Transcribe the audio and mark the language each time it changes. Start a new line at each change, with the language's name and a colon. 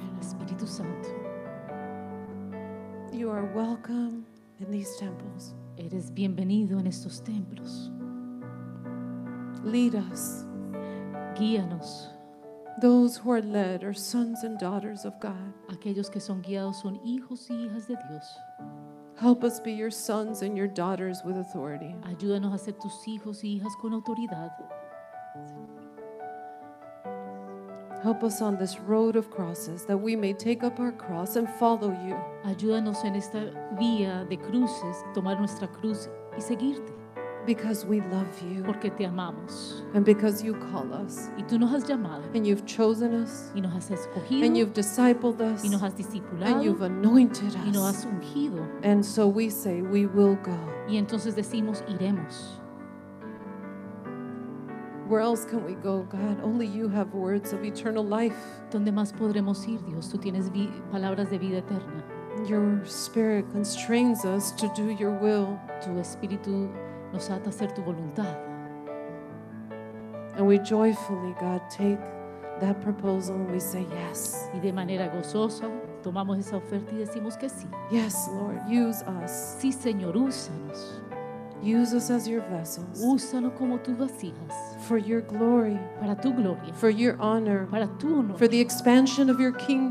Spanish: Espíritu Santo.
English: You are welcome. In these temples.
Spanish: Eres bienvenido en estos templos.
English: Lead us.
Spanish: Guíanos.
English: Those who are led are sons and daughters of God.
Spanish: Aquellos que son guiados son hijos y hijas de Dios.
English: Help us be your sons and your daughters with authority.
Spanish: Ayúdanos a ser tus hijos y hijas con autoridad.
English: Help us on this road of crosses that we may take up our cross and follow you.
Spanish: Ayúdanos en esta vía de cruces, tomar nuestra cruz y seguirte.
English: Because we love you.
Spanish: Porque te amamos.
English: And because you call us.
Spanish: Y tú nos has llamado.
English: And you've chosen us.
Spanish: Y nos has escogido.
English: And you've discipled us.
Spanish: Y nos has discipulado.
English: And you've anointed us.
Spanish: Y nos has ungido.
English: And so we say, we will go.
Spanish: Y entonces decimos, iremos.
English: Where else can we go, God? Only you have words of eternal life.
Spanish: ¿Dónde más podremos ir, Dios? Tú tienes palabras de vida eterna.
English: Your spirit constrains us to do your will.
Spanish: Tu espíritu nos ata a hacer tu voluntad.
English: And we joyfully, God, take that proposal and we say yes.
Spanish: Y de manera gozosa tomamos esa oferta y decimos que sí.
English: Yes, Lord, use us.
Spanish: Sí, Señor, úsanos.
English: Use us as your vessels.
Spanish: Úsanos como tus vasijas.
English: For your glory.
Spanish: Para tu gloria.
English: For your honor.
Spanish: Para tu honor.
English: For the expansion of your kingdom.